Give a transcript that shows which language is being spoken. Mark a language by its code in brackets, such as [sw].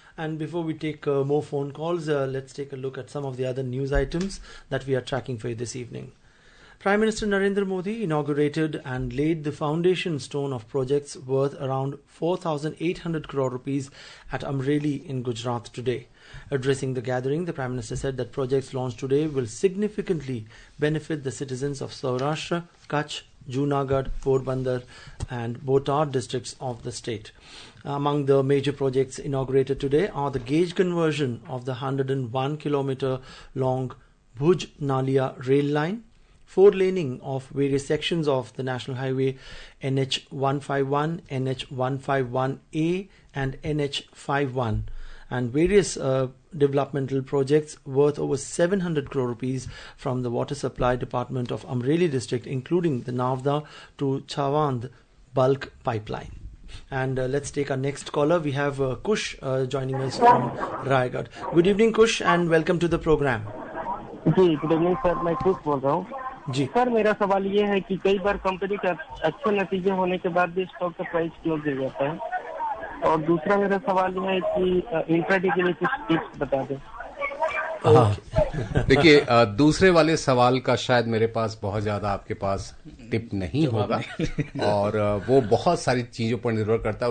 [en] And before we take more phone calls, let's take a look at some of the other news items that we are tracking for you this evening. Prime minister Narendra Modi inaugurated and laid the foundation stone of projects worth around 4,800 crore rupees at Amreli in Gujarat today. Addressing the gathering, the Prime Minister said that projects launched today will significantly benefit the citizens of Saurashtra, Kutch, Junagadh, Porbandar and Botar districts of the state. Among the major projects inaugurated today are the gauge conversion of the 101 kilometer long Bhuj Nalia rail line, four laning of various sections of the National Highway NH151, NH151A and NH51. And various developmental projects worth over 700 crore rupees from the Water Supply Department of Amreli District, including the Navda to Chawand bulk pipeline. And let's take our next caller. We have Kush joining us from Raigarh. Good evening, Kush, and welcome to the program. Good evening, sir. I'm Kush. [hi] Ji sir, मेरा सवाल ये है कि कई बार company का अच्छे नतीजे होने के बाद भी स्टॉक का प्राइस क्यों गिर जाता है, और दूसरा मेरा सवाल यह है कि इंट्राडे के लिए कुछ टिप्स बता दें। देखिए, दूसरे वाले सवाल का शायद मेरे पास बहुत ज्यादा आपके पास टिप नहीं होगा, और वो बहुत सारी चीजों पर निर्भर करता है।